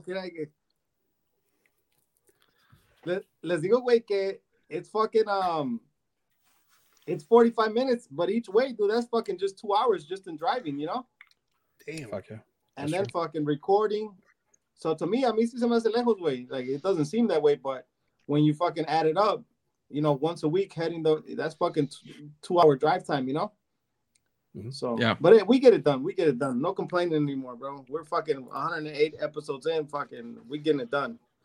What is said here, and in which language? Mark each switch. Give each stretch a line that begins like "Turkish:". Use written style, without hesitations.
English: Can I get
Spanish: les digo wey que
English: it's fucking it's 45 minutes, but each way, dude, that's fucking just 2 hours just in driving, you know? Damn. Fuck yeah. And that's then true. Fucking recording. So to me,
Spanish: a mí sí se me hace lejos, güey.
English: Like, it doesn't seem that way, but when you fucking add it up, you know, once a week heading that's fucking 2-hour drive time, you know? Mm-hmm. So, yeah. But hey, we get it done. We get it done. No complaining anymore, bro. We're fucking 108 episodes in, fucking, we getting it done.